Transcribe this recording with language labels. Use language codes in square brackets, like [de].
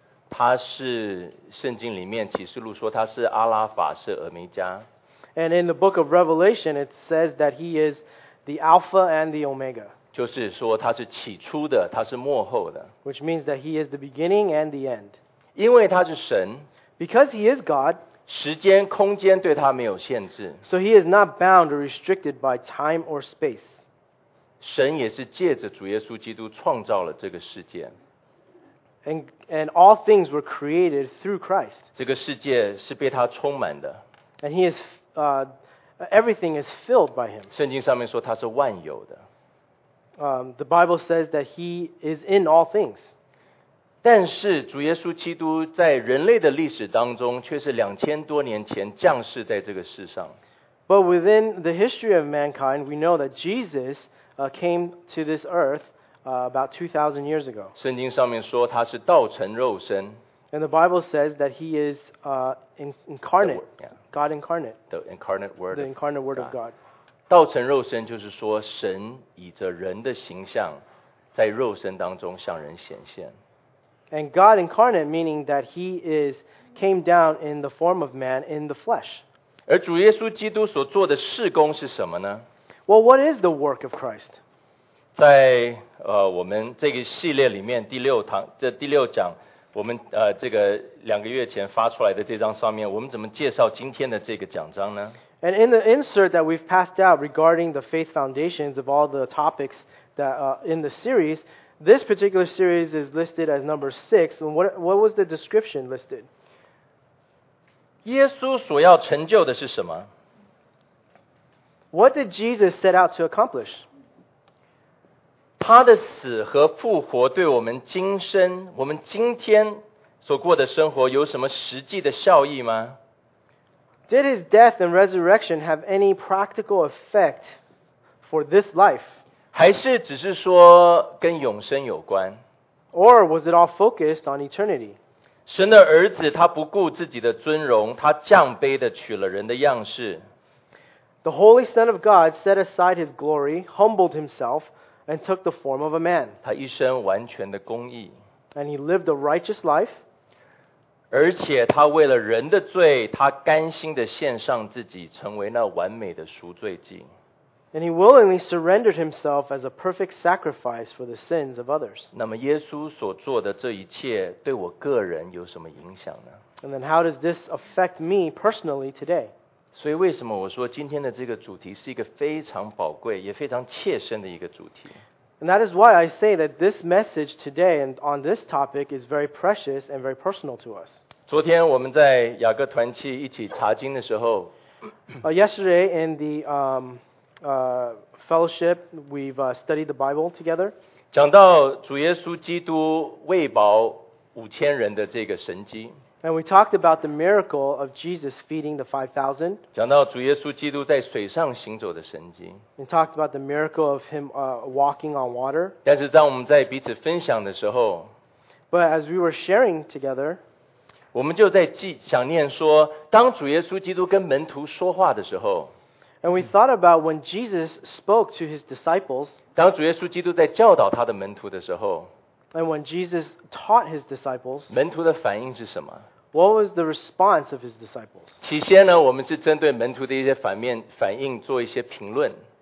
[zh] 他是圣经里面启示录说他是阿拉法，是俄梅加。 [en] And in the book of Revelation, it says that he is the Alpha and the Omega. [zh] 就是说他是起初的，他是末后的。 [en] Which means that he is the beginning and the end. [zh] 因为他是神。 [en] Because he is God. [zh] 时间、空间对他没有限制。 [en] So he is not bound or restricted by time or space. [zh] 神也是借着主耶稣基督创造了这个世界。 [en] And all things were created through Christ. [zh] 这个世界是被他充满的。 [en] And he is everything is filled by him. [zh] 圣经上面说他是万有的。 [en] The Bible says that he is in all things. [zh] 但是主耶稣基督在人类的历史当中却是2000多年前降世在这个世上。 [en] But within the history of mankind, we know that Jesus came to this earth about 2000 years ago. [zh] 圣经上面说他是道成肉身。 [en] And the Bible says that he is incarnate, God incarnate. The incarnate word of God. [zh] 道成肉身就是说神以着人的形象在肉身当中向人显现。 [en] And God incarnate meaning that he is came down in the form of man in the flesh. [zh] 而主耶稣基督所做的事工是什么呢？ [en] Well, what is the work of Christ? [zh] 在我们这个系列里面第六堂，这第六讲我们这个两个月前发出来的这张上面，我们怎么介绍今天的这个讲章呢？ [en] And in the insert that we've passed out regarding the faith foundations of all the topics that in the series, this particular series is listed as number 6. And what was the description listed? [zh] 耶稣所要成就的是什么？ [en] What did Jesus set out to accomplish? [zh] 他的死和复活对我们今生，我们今天所过的生活有什么实际的效益吗？ [en] Did his death and resurrection have any practical effect for this life? [zh] 还是只是说跟永生有关？ [en] Or was it all focused on eternity? [zh] 神的儿子他不顾自己的尊荣，他降卑的取了人的样式。 [en] The Holy Son of God set aside his glory, humbled himself,and took the form of a man. [zh] 他一生完全的公义。 [en] And he lived a righteous life. [zh] 而且他为了人的罪，他甘心的献上自己，成为那完美的赎罪祭。 [en] And he willingly surrendered himself as a perfect sacrifice for the sins of others. [zh] 那么耶稣所做的这一切，对我个人有什么影响呢？ [en] And then how does this affect me personally today? [zh] 所以为什么我说今天的这个主题是一个非常宝贵也非常切身的一个主题。 [en] And that is why I say that this message today and on this topic is very precious and very personal to us. [zh] 昨天我们在雅各团契一起查经的时候 [en] Yesterday in the fellowship, we've studied the Bible together. [zh] 讲到主耶稣基督喂饱5000人的这个神迹。 [en] And we talked about the miracle of Jesus feeding the 5,000. [zh] 讲到主耶稣基督在水上行走的神迹。 [en] We talked about the miracle of him walking on water. [zh] 但是当我们在彼此分享的时候， [en] But as we were sharing together, [zh] 我们就在想念说，当主耶稣基督跟门徒说话的时候。 [en] And we thought about when Jesus spoke to his disciples. [zh] 当主耶稣基督在教导他的门徒的时候。 [en] And when Jesus taught his disciples. [zh] 门徒的反应是什么？ [en] What was the response of his disciples? [zh] 起先呢，我们是针对门徒的一些反应做一些评论。